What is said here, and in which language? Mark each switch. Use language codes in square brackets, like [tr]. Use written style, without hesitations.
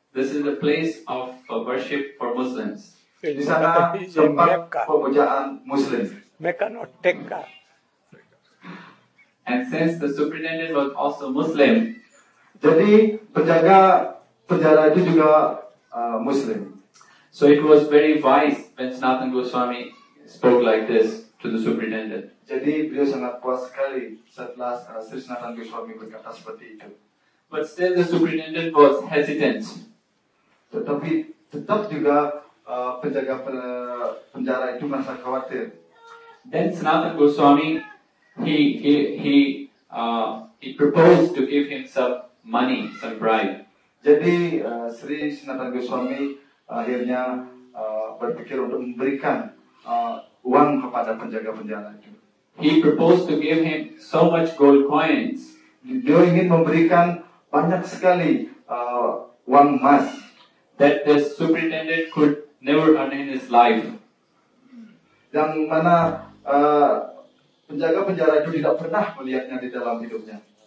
[en] This is the place of worship for Muslims. [id] Di sana tempat pemujaan Muslim. [en] Makkah, not Tekka. And since the superintendent was also Muslim, [id] jadi penjaga penjara itu juga Muslim. [en] So it was very wise when Sanatana Goswami spoke like this to the superintendent. [id] Jadi beliau sangat puas sekali setelah Sri Sanatana Goswami berkata seperti itu. [en] But still the superintendent was hesitant. [id] Tetapi tetap juga penjaga penjara itu merasa khawatir. [en] Then Sanatana Goswami he proposed to give him some money, some bribe. [id] Jadi Sri Sanatana Goswami akhirnya berpikir untuk memberikan uang kepada penjaga penjara itu. [en] He proposed to give him so much gold coins. [id] Dia ingin memberikan banyak sekali uang emas [en] that the superintendent could never earn in his life. [id] Yang mana penjaga penjara itu tidak pernah melihatnya di dalam hidupnya.